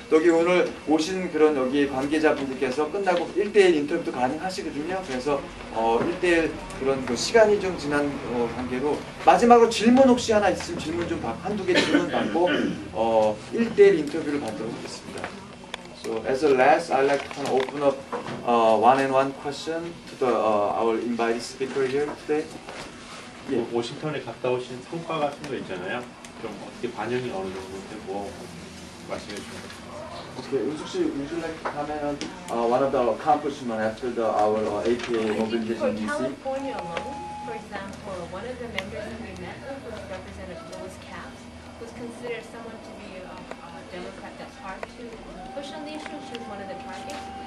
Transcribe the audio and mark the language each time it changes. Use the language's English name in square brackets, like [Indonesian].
[Korean] 여기 오늘 오신 그런 여기 관계자분들께서 끝나고 1대1 인터뷰도 가능하시거든요. 그래서 1대1 그런 그 시간이 좀 지난 관계로 마지막으로 질문 혹시 하나 있으면 질문 좀 한두 개 질문 받고 1대1 인터뷰를 받도록 하겠습니다. [English] So as a last, I'd like to open up one-on-one question to the our invited speaker here today. [Korean] 예. 워싱턴에 갔다 오신 성과 같은 거 있잖아요. 좀 어떻게 반영이 어느 정도 되고 말씀해 주세요. [English] Okay, 은숙 씨, would you like to comment on one of the accomplishments after the our APA mobilization meeting? For California alone, for example, one of the members that we met was Representative Louis Capps, who's considered someone to be a Democrat that's hard to push on the issue. She was one of the targets.